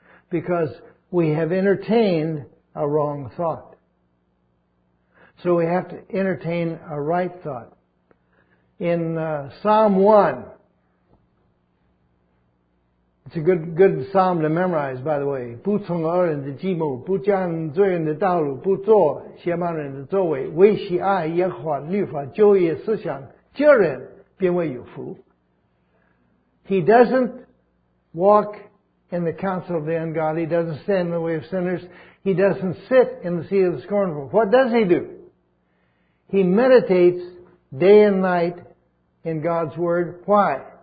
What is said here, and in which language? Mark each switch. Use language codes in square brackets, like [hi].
[en] Because we have entertained a wrong thought. So we have to entertain a right thought. In Psalm 1, it's a good psalm to memorize, by the way. [zh] 不从恶人的计谋, 不将罪人的道路, 不做邪慢人的作为, 为喜爱耶和华律法昼夜思想, 这人便为有福. [en] He doesn't walk in the counsel of the ungodly. He doesn't stand in the way of sinners. He doesn't sit in the seat of the scornful. What does he do? He meditates day and night in God's word. Why?